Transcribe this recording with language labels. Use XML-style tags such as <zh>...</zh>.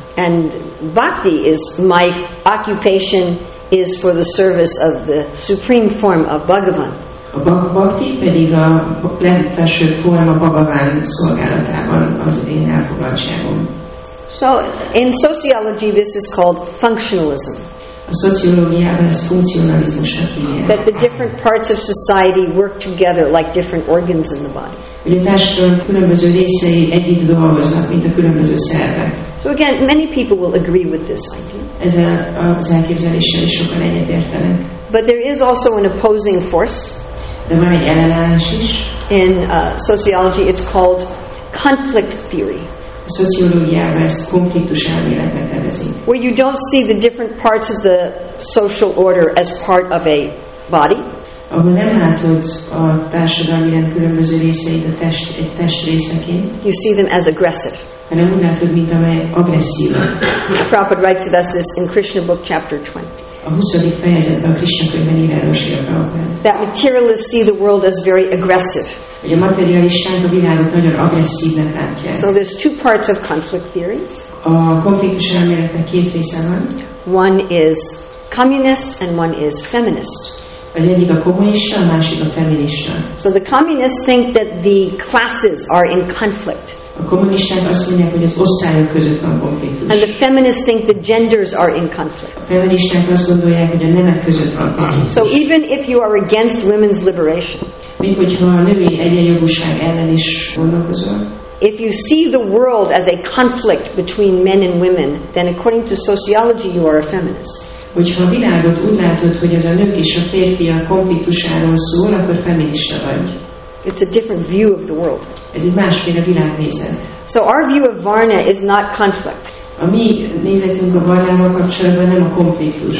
<en>And bhakti is my occupation is for the service of the supreme form of Bhagavan.</en> <hu>A bhakti pedig a legfelsőbb forma Bhagavan szolgálatában az én elfoglaltságom.</hu> <en>So in sociology this is called functionalism.</en> <hu>A szociológiában ez funkcionalizmus.</hu> <en>That the different parts of society work together like different organs in the body.</en> <hu>Hogy a társadalom különböző részei együtt dolgoznak, mint a különböző szervek.</hu> <en>So again, many people will agree with this idea.</en> <hu>Ez az elképzeléssel is sokan egyetértenek.</hu> <en>But there is also an opposing force.</en> <hu>De van egy ellenállás is.</hu> <en>In sociology it's called conflict theory.</en> <hu>A szociológiában ezt konfliktus elméletnek nevezik.</hu> <en>Where you don't see the different parts of the social order as part of a body.</en> <hu>Ahol nem látod a társadalmi rend különböző részeit a test, egy test részeként.</hu> <en>You see them as aggressive.</en> <hu>Hanem úgy látod, mint amely agresszív.</hu> <en>Prabhupada writes about this in Krishna book chapter 20.</en> <hu>A 20. fejezetben a Krishna könyvben ír erről Srila Prabhupada.</hu> <en>That materialists see the world as very aggressive.</en> <hu>Hogy a materialisták a világot nagyon agresszívnek látják.</hu> <en>So there's two parts of conflict theories.</en> <hu>A konfliktus elméletnek két része van.</hu> <en>One is communist and one is feminist.</en> <hu>Az egyik a kommunista, a másik a feminista.</hu> <en>So the communists think that the classes are in conflict.</en> <hu>A kommunisták azt mondják, hogy az osztályok között van konfliktus.</hu> <en>And the feminists think the genders are in conflict.</en> <hu>A feministák azt gondolják, hogy a nemek között van konfliktus.</hu> <en>So even if you are against women's liberation,</en> <hu>még hogyha a női egyenjogúság ellen is gondolkozol,</hu> <en>if you see the world as a conflict between men and women, then according to sociology you are a feminist.</en> <hu>Hogyha a világot úgy látod, hogy ez a nők és a férfiak konfliktusáról szól, akkor feminista vagy.</hu> <en>It's a different view of the world.</en> <hu>Ez egy másféle világnézet.</hu> <en>So our view of varna is not conflict.</en> <hu>A mi nézetünk a varnával kapcsolatban nem a konfliktus.</hu>